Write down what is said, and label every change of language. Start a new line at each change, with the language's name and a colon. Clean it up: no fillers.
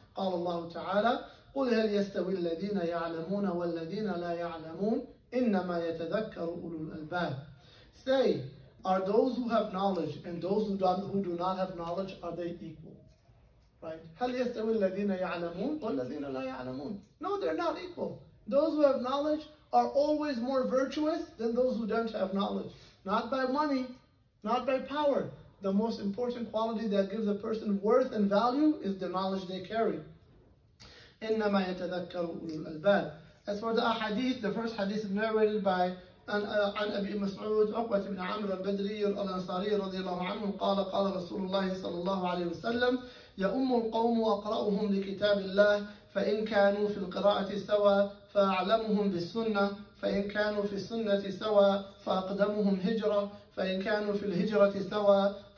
Arabic: قال الله تعالى قل هل يستوي الذين يعلمون والذين لا يعلمون إنما يتذكر أولو الألباب.
English: Say, are those who have knowledge and those who do not have knowledge, are they equal? Right?
Arabic: هل يستوي الذين يعلمون والذين لا يعلمون.
English: No, they're not equal. Those who have knowledge are always more virtuous than those who don't have knowledge. Not by money, not by power. The most important quality that gives a person worth and value is the knowledge they carry.
Arabic: إِنَّمَا يَتَذَكَّرُ أُولُو الْأَلْبَابِ.
English: As for the ahadith, the first hadith is narrated by
Arabic: عن أبي مسعود عقبة بن عمرو البدري الأنصاري رضي الله عنه قال قال رسول الله صلى الله عليه وسلم يؤم القوم وأقرأهم لكتاب الله فإن كانوا في القراءة سوى فأعلمهم بالسنة فإن كانوا في السنة سوى فأقدمهم هجرة فإن كانوا في الهجرة سوى